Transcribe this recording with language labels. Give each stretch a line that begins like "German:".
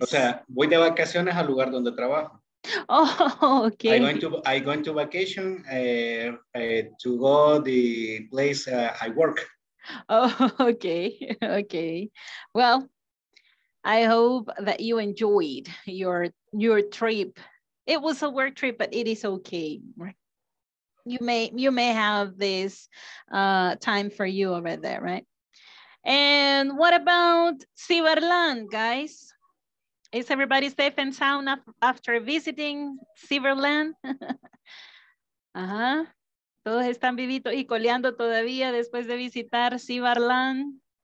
Spanish: O sea, voy de vacaciones al lugar donde trabajo.
English: Oh, okay. I'm going to vacation to go the place I work. Oh, okay, okay. Well, I hope that you enjoyed your trip. It was a work trip, but it is okay. You may have this time for you over there, right? And what about Cyberland, guys? Is everybody safe and sound after visiting Cyberland?
Spanish: ¿Todos están vivitos y coleando todavía después de visitar Cyberland?